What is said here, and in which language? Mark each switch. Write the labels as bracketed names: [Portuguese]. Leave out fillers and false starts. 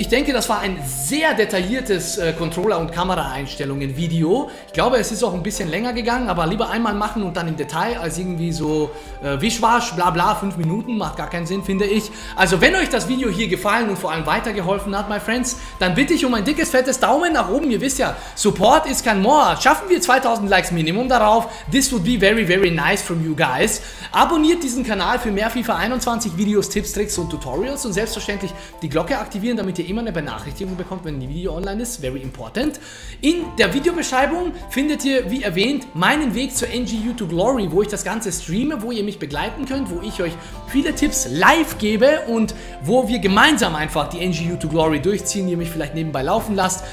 [German] Ich denke, das war ein sehr detailliertes Controller- und Kameraeinstellungen-Video. Ich glaube, es ist auch ein bisschen länger gegangen, aber lieber einmal machen und dann im Detail, als irgendwie so wischwasch, bla bla, 5 Minuten, macht gar keinen Sinn, finde ich. Also, wenn euch das Video hier gefallen und vor allem weitergeholfen hat, [English] my friends, [German] dann bitte ich um ein dickes, fettes Daumen nach oben. Ihr wisst ja, Support ist kein More. Schaffen wir 2000 Likes Minimum darauf, [English] this would be very, very nice from you guys. [German] Abonniert diesen Kanal für mehr FIFA 21 Videos, Tipps, Tricks und Tutorials und selbst verständlich die Glocke aktivieren, damit ihr immer eine Benachrichtigung bekommt, wenn ein Video online ist. [English] Very important. [German] In der Videobeschreibung findet ihr, wie erwähnt, meinen Weg zur NGU to Glory, wo ich das Ganze streame, wo ihr mich begleiten könnt, wo ich euch viele Tipps live gebe und wo wir gemeinsam einfach die NGU to Glory durchziehen, ihr mich vielleicht nebenbei laufen lasst.